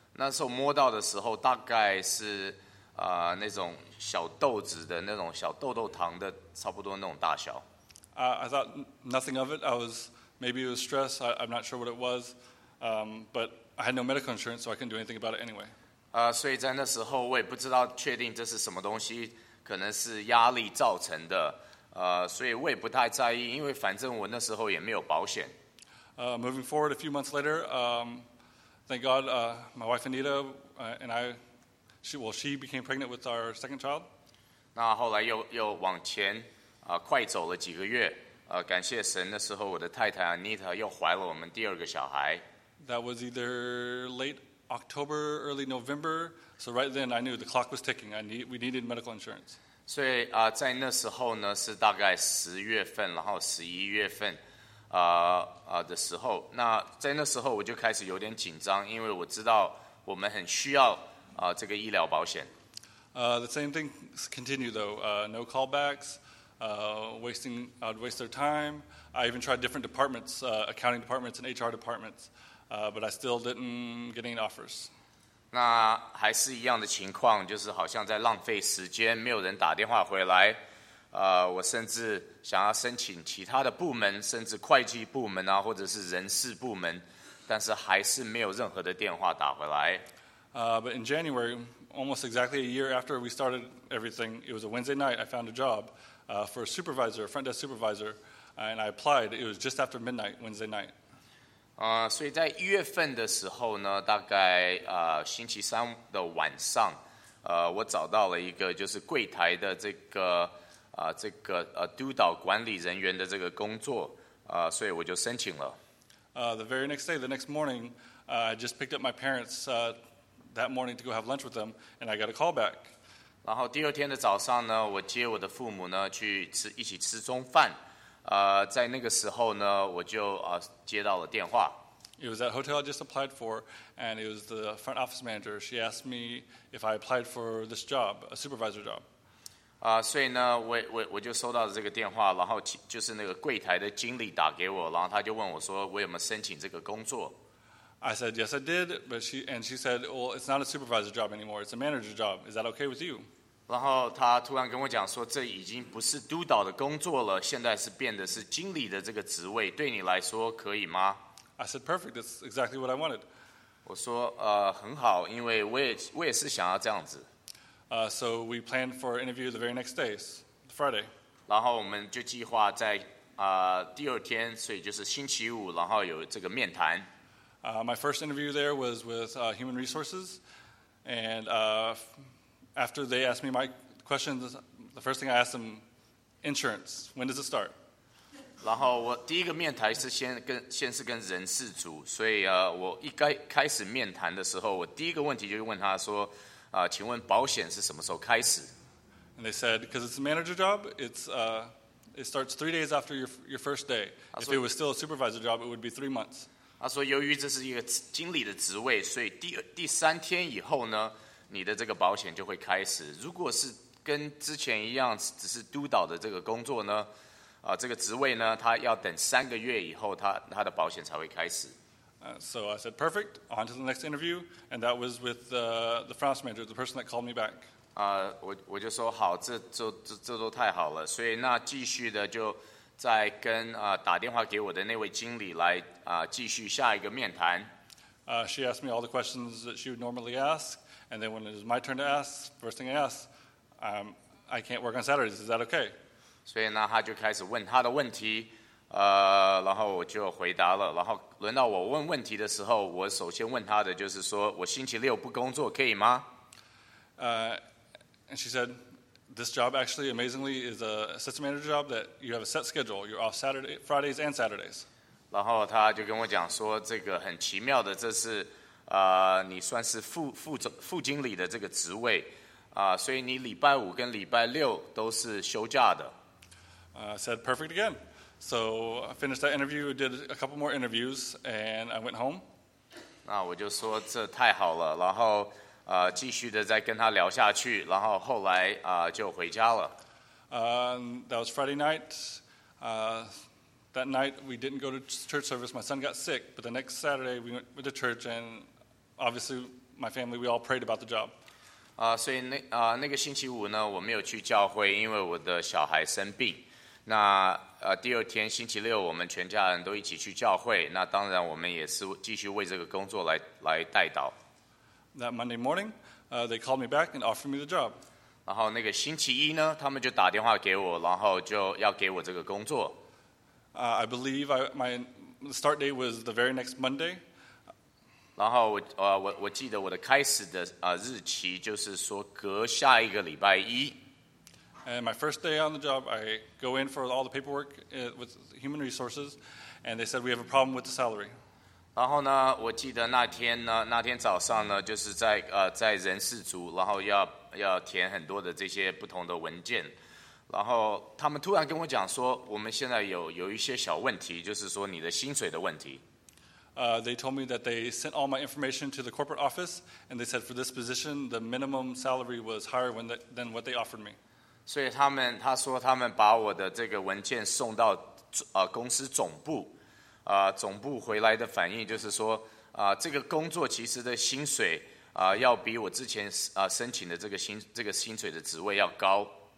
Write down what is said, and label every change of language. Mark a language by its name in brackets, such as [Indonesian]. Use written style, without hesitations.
[Chinese] 那我一摸，我从来没有感觉说我后面有一个这个秃的地方。然后那时候摸到的时候，大概是。那种小豆子的那种小豆豆糖的差不多那种大小。 [English] I thought nothing of it. Maybe it was stress. I'm not sure what it was. But I had no medical insurance, so I couldn't do anything about it anyway. [Chinese] 所以在那时候我也不知道确定这是什么东西，可能是压力造成的。所以我也不太在意，因为反正我那时候也没有保险。 [English] Moving forward a few months later, thank God, my wife Anita and I. She became pregnant with our second child. [Chinese] 那后来又往前快走了几个月，感谢神，那时候我的太太 Anita 又怀了我们第二个小孩。 [English] That was either late October, early November. So right then, I knew the clock was ticking. We needed medical insurance. [Chinese] 所以在那时候呢，是大概十月份，然后十一月份，的时候，那在那时候我就开始有点紧张，因为我知道我们很需要这个医疗保险。 [English] The same thing continued though. No callbacks. I'd waste their time. I even tried different departments, accounting departments and HR departments, but I still didn't get any offers. [Chinese] 那还是一样的情况，就是好像在浪费时间，没有人打电话回来。我甚至想要申请其他的部门，甚至会计部门啊，或者是人事部门，但是还是没有任何的电话打回来。 [English] But in January, almost exactly a year after we started everything, it was a Wednesday night, I found a job for a supervisor, a front desk supervisor, and I applied. It was just after midnight, Wednesday night. [Chinese] 所以在一月份的时候呢，大概星期三的晚上，我找到了一个就是柜台的这个督导管理人员的这个工作，所以我就申请了。 [English] The very next day, the next morning, I just picked up my parents that morning to go have lunch with them, and I got a call back. [Chinese] 然后第二天的早上呢，我接我的父母呢去吃一起吃中饭。在那个时候呢，我就接到了电话。 [English] It was that hotel I just applied for, and it was the front office manager. She asked me if I applied for this job, a supervisor job. [Chinese] 所以呢，我就收到了这个电话，然后就是那个柜台的经理打给我，然后他就问我说，我有没有申请这个工作。 [English] I said, yes, I did, but she said, well, it's not a supervisor job anymore, it's a manager job. Is that okay with you? [Chinese] 然后他突然跟我讲说，这已经不是督导的工作了，现在是变得是经理的这个职位，对你来说可以吗？ [English] I said, perfect, that's exactly what I wanted. [Chinese] 我说，很好，因为我也是想要这样子。 [English] So we planned for an interview the very next day, Friday. [Chinese] 然后我们就计划在第二天，所以就是星期五，然后有这个面谈。 [English] My first interview there was with Human Resources, and after they asked me my questions, the first thing I asked them, insurance, when does it start? [Chinese] 然后我第一个面谈是先是跟人事组，所以我一开始面谈的时候，我第一个问题就问他说，请问保险是什么时候开始？ [English] And they said, because it's a manager job, it starts 3 days after your first day. If it was still a supervisor job, it would be 3 months. [Chinese] 他说：“由于这是一个经理的职位，所以第三天以后呢，你的这个保险就会开始。如果是跟之前一样，只是督导的这个工作呢，这个职位呢，他要等三个月以后，他的保险才会开始。” [English] So I said, "Perfect. On to the next interview." And that was with the France manager, the person that called me back. [Chinese] 我就说好，这都太好了。所以那继续的就。在跟打电话给我的那位经理来继续下一个面谈。 [English] She asked me all the questions that she would normally ask, and then when it was my turn to ask, first thing I asked, I can't work on Saturdays. Is that okay? [Chinese] 所以呢，他就开始问他的问题，然后我就回答了。然后轮到我问问题的时候，我首先问他的就是说我星期六不工作可以吗？ [English] And she said. This job actually, amazingly, is a system manager job that you have a set schedule. You're off Saturday, Fridays and Saturdays. [Chinese] 然后他就跟我讲说，这个很奇妙的，这是你算是副经理的这个职位所以你礼拜五跟礼拜六都是休假的。 [English] I said, perfect again. So I finished that interview, did a couple more interviews, and I went home. [Chinese] 那我就说这太好了，然后。继续的再跟他聊下去，然后后来就回家了。 [English] That was Friday night. That night we didn't go to church service. My son got sick, but the next Saturday we went to church, and obviously my family we all prayed about the job. [Chinese] 所以那个星期五呢，我没有去教会，因为我的小孩生病。那第二天星期六，我们全家人都一起去教会。那当然，我们也是继续为这个工作来代祷。 [English] That Monday morning, they called me back and offered me the job. [Chinese] 然后那个星期一呢，他们就打电话给我，然后就要给我这个工作。 [English] I believe my start date was the very next Monday. [Chinese] 然后我记得我的开始的日期就是说隔下一个礼拜一。 [English] And my first day on the job, I go in for all the paperwork with human resources, and they said we have a problem with the salary. [Chinese] 然后呢，我记得那天早上呢，就是在人事组，然后要填很多的这些不同的文件，然后他们突然跟我讲说，我们现在有一些小问题，就是说你的薪水的问题。 [English] They told me that they sent all my information to the corporate office, and they said for this position, the minimum salary was higher than what they offered me. [Chinese] 所以他说他们把我的这个文件送到公司总部，总部回来的反应就是说，这个工作其实的薪水要比我之前申请的这个薪水的职位要高。